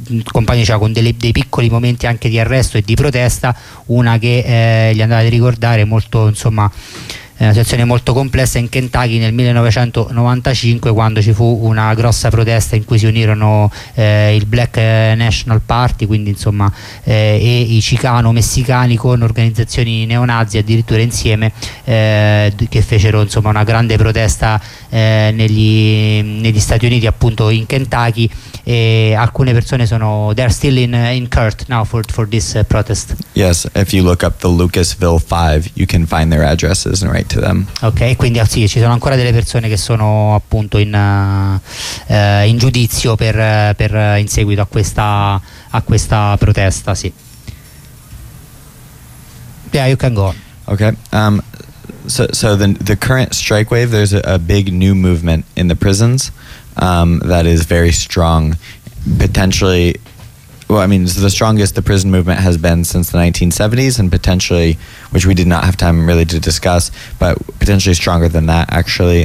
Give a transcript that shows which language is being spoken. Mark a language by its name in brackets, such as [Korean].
[Italian] Compagni, cioè, con dei piccoli momenti anche di arresto e di protesta, una che gli andava a ricordare molto, insomma, una situazione molto complessa in Kentucky nel 1995, quando ci fu una grossa protesta in cui si unirono il Black National Party, quindi insomma, e i Chicano messicani con organizzazioni neonazi addirittura insieme, che fecero insomma una grande protesta negli Stati Uniti, appunto in Kentucky. E alcune persone sono, [English] they're still in court now for this protest. Yes, if you look up the Lucasville 5, you can find their addresses and write to them. [Italian] Ok, quindi sì, ci sono ancora delle persone che sono appunto in giudizio per in seguito a questa protesta, sì. [English] Yeah, you can go on. Okay. So the current strike wave, there's a big new movement in the prisons that is very strong, potentially, well, I mean, it's the strongest the prison movement has been since the 1970s, and potentially, which we did not have time really to discuss, but potentially stronger than that, actually.